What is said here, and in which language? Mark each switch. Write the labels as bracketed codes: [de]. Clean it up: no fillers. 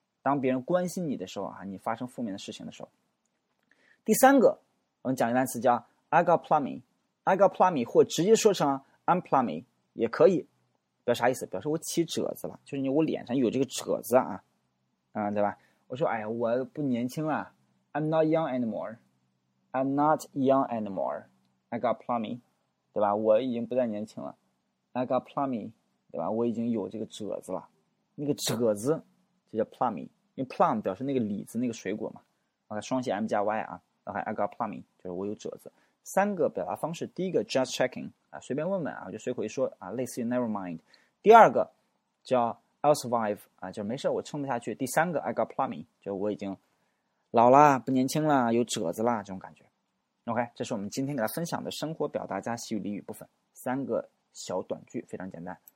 [zh] 当别人关心你的时候啊，你发生负面的事情的时候。第三个，我们讲一个单词叫 [en] I got plumbing， I got plumbing， [zh] 或直接说成 [en] I'm plumbing [zh] 也可以，表示啥意思？表示我起褶子了，就是你我脸上有这个褶子啊，嗯，对吧？我说，哎呀，我不年轻了， [en] I'm not young anymore， I'm not young anymore， I got plumbing， [zh] 对吧？我已经不再年轻了， [en] I got plumbing， [zh] 对吧？我已经有这个褶子了，那个褶子就叫 plumbing， 因为 plum 表示那个李子那个水果嘛。双写 M 加 Y 啊， OK， [en] I got plumbing， [zh] 就是我有褶子。三个表达方式，第一个 just checking 啊，随便问问啊，我就随口一说啊，类似于 never mind。第二个叫 [en] I'll survive [zh] 啊，就没事，我撑得下去。第三个 [en] I got plumbing， [zh] 就我已经老了，不年轻了，有褶子了，这种感觉。 OK， 这是我们今天给大家分享的生活表达加习语俚语部分，三个小短句，非常简单。